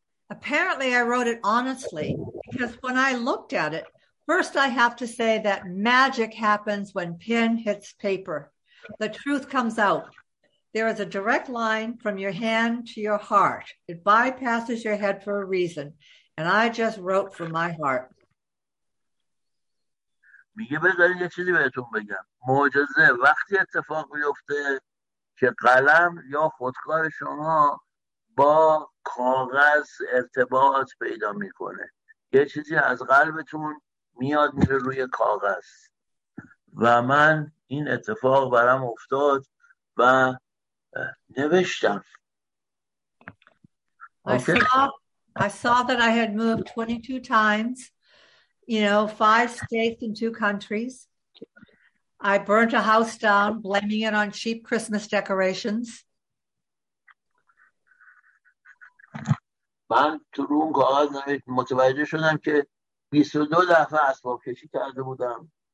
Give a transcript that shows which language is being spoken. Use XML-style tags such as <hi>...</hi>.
<en>Apparently I wrote it honestly, because when I looked at it, first I have to say that magic happens when pen hits paper. The truth comes out. There is a direct line from your hand to your heart. It bypasses your head for a reason. And I just wrote from my heart.</en> <fa>میگه بذارین یه چیزی بهتون بگم. معجزه وقتی اتفاق میفته که قلم یا خودکار شما با کاغذ ارتباط پیدا میکنه، یه چیزی از قلبتون میاد میره روی کاغذ و من این اتفاق برام افتاد و نوشتم.</fa> <en>I saw that I had moved 22 times, you know, 5 states and 2 countries. I burnt a house down blaming it on cheap Christmas decorations.</en> <fa>من تو رو اون کاغذ نمید متوجه شدم که 22 دفعه اسباب کشی کرده بودم.</fa>